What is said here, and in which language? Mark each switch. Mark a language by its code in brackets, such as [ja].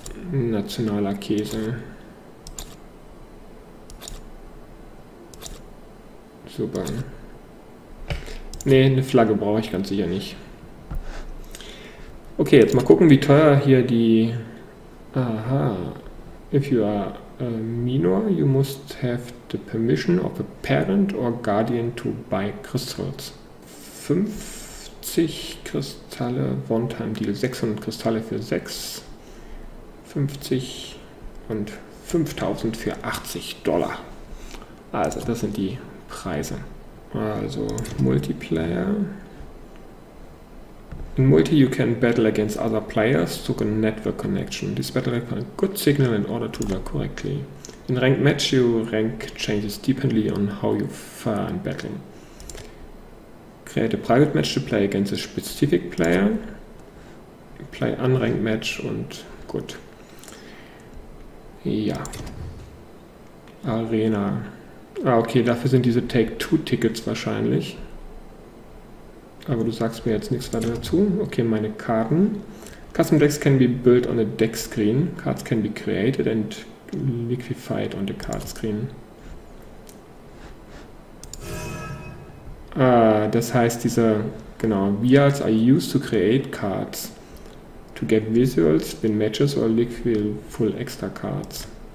[de] Nationaler Käse. Super. Ne, eine Flagge brauche ich ganz sicher nicht. Okay, jetzt mal gucken, wie teuer hier die... Aha. [en] If you are a minor, you must have the permission of a parent or guardian to buy crystals. [de] 50 Kristalle, [en] one-time deal, [de] 600 Kristalle für 6, 50 und 5000 für 80 Dollar. Also, das sind die Preise. Also, Multiplayer. [en] In Multi, you can battle against other players through a network connection. This battle requires a good signal in order to work correctly. In Ranked Match, your rank changes dependently on how you fare in battle. Create a private match to play against a specific player. Play unranked match [de] und gut. Ja. Arena. Ah, okay, dafür sind diese Take-Two-Tickets wahrscheinlich. Aber du sagst mir jetzt nichts weiter dazu. Okay, meine Karten. [en] Custom Decks can be built on a deck screen. Cards can be created and liquefied on the card screen. [de] Das heißt, diese, genau, [en] Vials are used to create cards. To get visuals, win matches or liquefy full extra cards.